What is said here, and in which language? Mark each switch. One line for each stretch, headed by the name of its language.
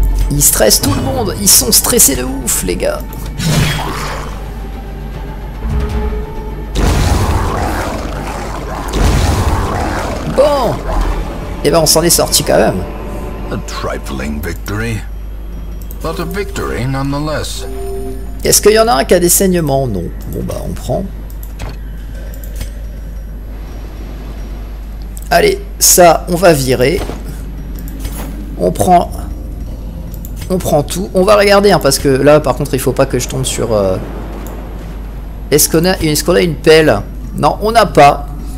French: Ils stressent tout le monde, ils sont stressés de ouf, les gars. Bon, eh ben on s'en est sorti quand même.
English: A trifling victory, but a victory nonetheless.
French: Est-ce qu'il y en a un qui a des saignements? Non. Bon bah on prend. Allez, ça on va virer. On prend tout. On va regarder hein, parce que là par contre il faut pas que je tombe sur. Est-ce qu'on a une pelle? Non, on n'a pas.